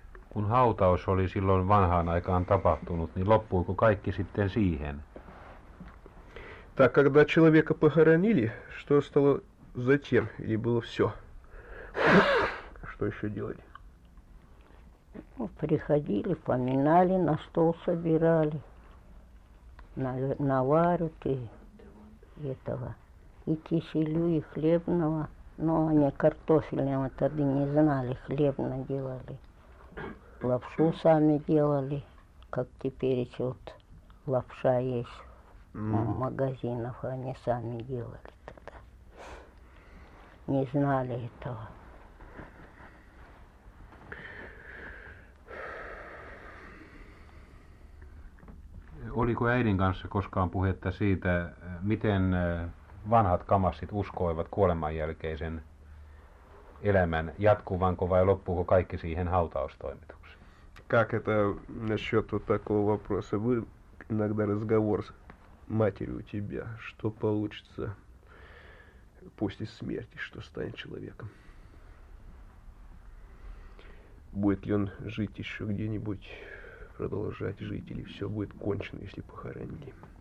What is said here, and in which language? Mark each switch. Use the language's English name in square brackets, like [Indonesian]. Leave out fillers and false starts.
[Finnish] Kun hautaus oli silloin vanhaan aikaan tapahtunut, niin loppuiko kaikki sitten siihen? [Russian] Так, когда человека похоронили, что стало затем, или было все? Что еще делали? Ну, приходили, поминали, на стол собирали, наварят и этого, и киселю, и хлебного. Но они картофельного тогда не знали, хлебно делали. Лапшу сами делали, как теперь еще вот лапша есть. Магазинов они сами делали тогда. Не знали этого. [Finnish] Oliko äidin kanssa koskaan puhetta siitä, miten vanhat kamassit uskoivat kuolemanjälkeisen elämän jatkuvanko vai loppuuko kaikki siihen hautaustoimitukseen? [Russian] Как это насчет вот такого вопроса? Вы иногда разговор с матерью у тебя, что получится после смерти, что станет человеком? Будет ли он жить еще где-нибудь? Продолжать жить, или все будет кончено, если похоронили.